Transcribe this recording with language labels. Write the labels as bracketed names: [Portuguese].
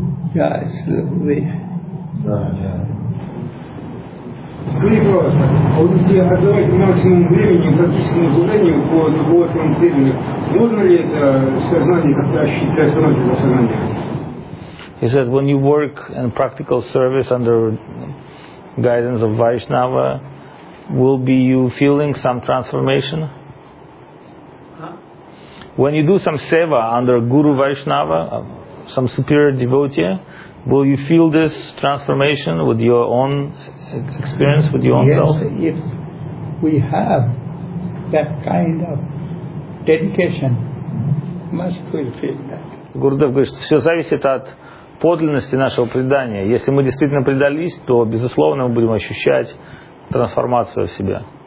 [Russian] Скажи, пожалуйста, а вот если отдавать максимум времени практическому обладанию по двухэтному преданию, можно ли это сознание как-то ощутить трансформировать на сознание? [English] He said, when you work in practical service under guidance of Vaishnava, will be you feeling some transformation? When you do some seva under Guru Vaishnava, some superior devotee, will you feel this transformation with your own experience, with your own self? Yes, if we have that kind of dedication, must we feel that? [Russian] Gurudev говорит, что все зависит от подлинности нашего предания. Если мы действительно предались, то, безусловно, мы будем ощущать трансформацию в себе.